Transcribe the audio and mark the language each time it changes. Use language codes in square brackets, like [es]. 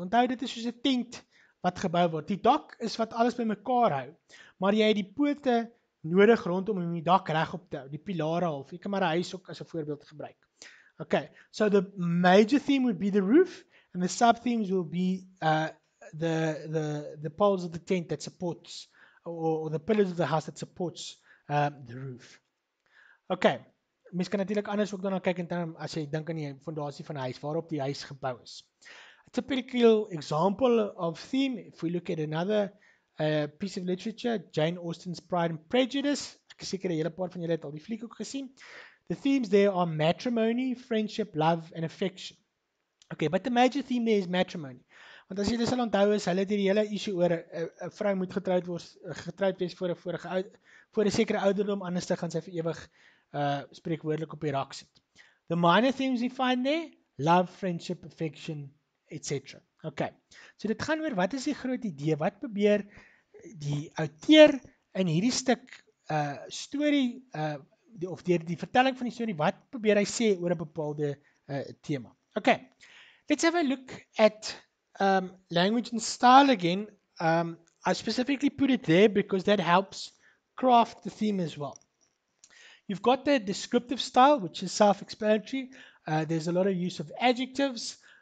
[af] Onthou, dit is soos 'n tent wat gebou word. Die dak is wat alles by mekaar hou, maar jy het die pote nodig rondom om die dak regop te hou, die pilare half. Jy kan maar 'n huis ook as 'n voorbeeld gebruik. [en] Okay, so the major theme would be the roof, and the sub-themes will be the poles of the tent that supports, or the pillars of the house that supports the roof. [af] Okay, mens kan natuurlik anders ook daarna kyk in term as jy dink aan die fondasie van die huis, waarop die huis gebou is. [en] A typical example of theme, if we look at another piece of literature, Jane Austen's Pride and Prejudice. [af] Ek is seker 'n hele paar van julle het al die fliek ook gesien. [en] The themes there are matrimony, friendship, love and affection. Okay, but the major theme there is matrimony. [af] Want as jy dit sal onthou is, hulle het hier die hele issue oor 'n vrou moet getroud wees voor 'n sekere ouderdom, anders dan gaan sy vir ewig spreekwoordelik op die rak sit. [en] The minor themes we find there, love, friendship, affection, etc. Okay. [af] So dit gaan oor wat is die groot idee? Wat probeer die outeur in hierdie stuk storie of die vertelling van die storie, wat probeer hy sê oor 'n bepaalde tema? [en] Okay, let's have a look at language and style again. I specifically put it there because that helps craft the theme as well. You've got the descriptive style, which is self-explanatory. There's a lot of use of adjectives.